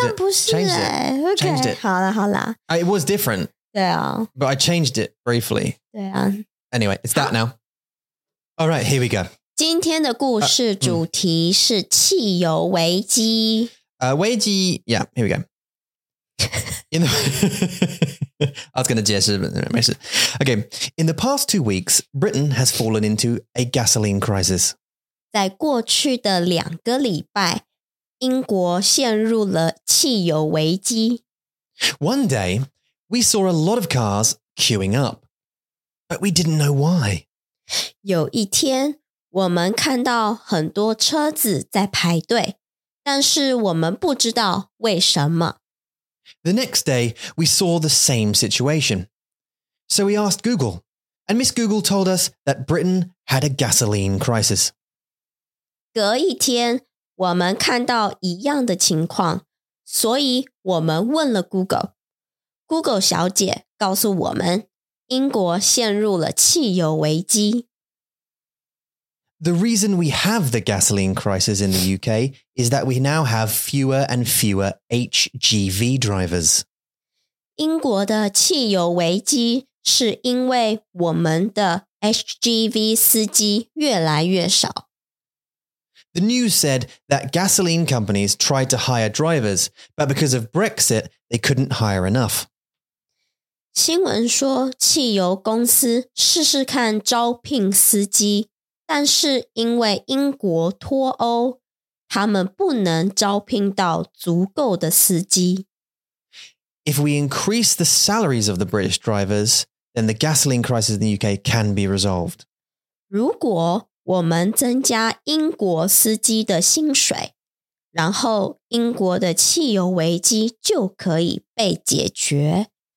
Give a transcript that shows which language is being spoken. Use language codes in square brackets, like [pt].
[zh] 好像不是、欸、 [en] changed it. Changed it. [zh] 好啦好啦 [en] It was different. [zh] 对啊 [en] But I changed it briefly. [zh] 对啊 [en] Anyway, it's that now. All right, here we go. [zh] 今天的故事主题是汽油危机。危机 [en] Yeah, here we go. In the- I was going to [zh] 解释没事 [en] Okay, in the past 2 weeks, Britain has fallen into a gasoline crisis. [zh] 在过去的两个礼拜英国陷入了汽油危机。 [en] One day, we saw a lot of cars queuing up, but we didn't know why. [zh] 有一天我们看到很多车子在排队但是我们不知道为什么。 [en] The next day, we saw the same situation. So we asked Google, and Miss Google told us that Britain had a gasoline crisis. [zh] 隔一天我们看到一样的情况所以我们问了 Google。 Google 小姐告诉我们英国陷入了汽油危机。 [en] The reason we have the gasoline crisis in the UK is that we now have fewer and fewer HGV drivers. [zh] 英国的汽油危机是因为我们的 HGV 司机越来越少。 [en] The news said that gasoline companies tried to hire drivers, but because of Brexit, they couldn't hire enough. [zh] 新闻说汽油公司试试看招聘司机。但是因为英国脱欧，他们不能招聘到足够的司机。 [en] If we increase the salaries of the British drivers, then the gasoline crisis in the UK can be resolved. [zh] 如果我们增加英国司机的薪水，然后英国的汽油危机就可以被解决。